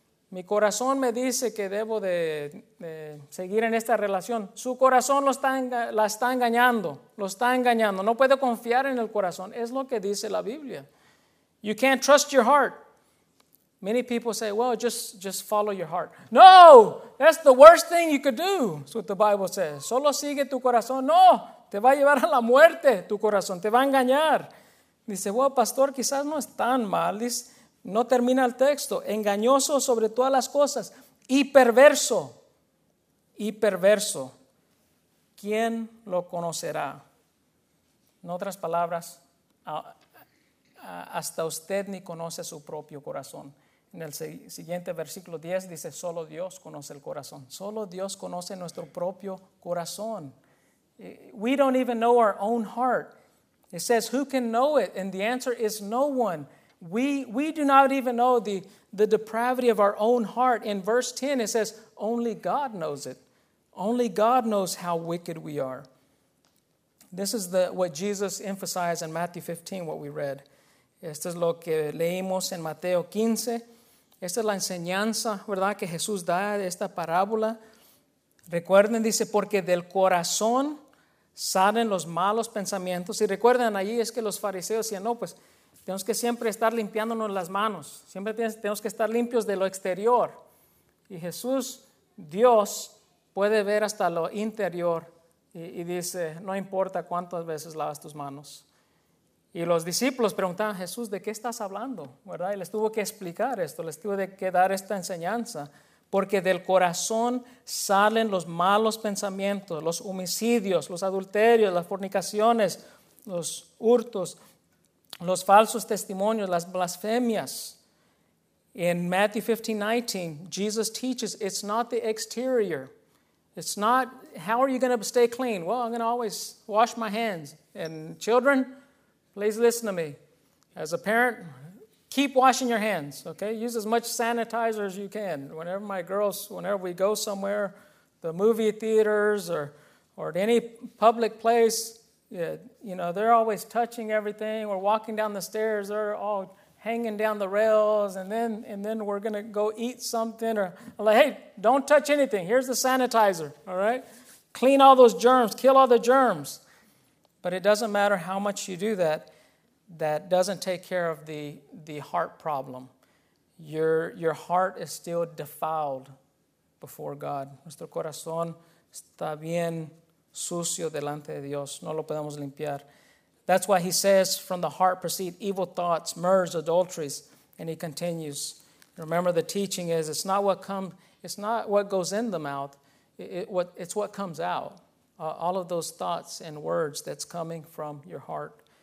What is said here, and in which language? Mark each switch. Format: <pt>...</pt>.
<es>Mi corazón me dice que debo de seguir en esta relación. Su corazón lo está engañando. No puede confiar en el corazón. Es lo que dice la Biblia.</es> <en>You can't trust your heart. Many people say, well, just follow your heart. No, that's the worst thing you could do. That's what the Bible says.</en> <es>Solo sigue tu corazón. No, te va a llevar a la muerte tu corazón. Te va a engañar. Dice,</es> <en>well,</en> <es>pastor, quizás no es tan mal. Dice, no termina el texto. Engañoso sobre todas las cosas. Y perverso. Y perverso. ¿Quién lo conocerá? En otras palabras, hasta usted ni conoce su propio corazón. En el siguiente versículo 10 dice, solo Dios conoce el corazón. Solo Dios conoce nuestro propio corazón. We don't even know our own heart. It says, who can know it? And the answer is no one. We do not even know the depravity of our own heart. In verse 10 it says, only God knows it. Only God knows how wicked we are. This is what Jesus emphasized in Matthew 15, what we read. Esto es lo que leímos en Mateo 15. Esta es la enseñanza, ¿verdad?, que Jesús da de esta parábola. Recuerden, dice, porque del corazón salen los malos pensamientos. Y recuerden, allí es que los fariseos decían, no, pues tenemos que siempre estar limpiándonos las manos. Siempre tenemos que estar limpios de lo exterior. Y Jesús, Dios, puede ver hasta lo interior. Y dice, no importa cuántas veces lavas tus manos. Y los discípulos preguntaban, Jesús, ¿de qué estás hablando? ¿Verdad? Y les tuvo que explicar esto, les tuvo que dar esta enseñanza. Porque del corazón salen los malos pensamientos, los homicidios, los adulterios, las fornicaciones, los hurtos, los falsos testimonios, las blasfemias.</es> <en>In Matthew 15:19, Jesus teaches, it's not the exterior. It's not, how are you going to stay clean? Well, I'm going to always wash my hands. And children, please listen to me. As a parent, keep washing your hands, okay? Use as much sanitizer as you can. Whenever my girls, whenever we go somewhere, the movie theaters or any public place, you know, they're always touching everything. We're walking down the stairs, they're all hanging down the rails, and then we're going to go eat something. Or I'm like, hey, don't touch anything. Here's the sanitizer, all right? Clean all those germs, kill all the germs. But it doesn't matter how much you do that. That doesn't take care of the heart problem. Your heart is still defiled before God.</en> <es>Nuestro corazón está bien sucio delante de Dios. No lo podemos limpiar.</es> <en>That's why he says, from the heart proceed evil thoughts, murders, adulteries. And he continues. Remember, the teaching is, it's not what goes in the mouth. It's what comes out. All of those thoughts and words that's coming from your heart.</en>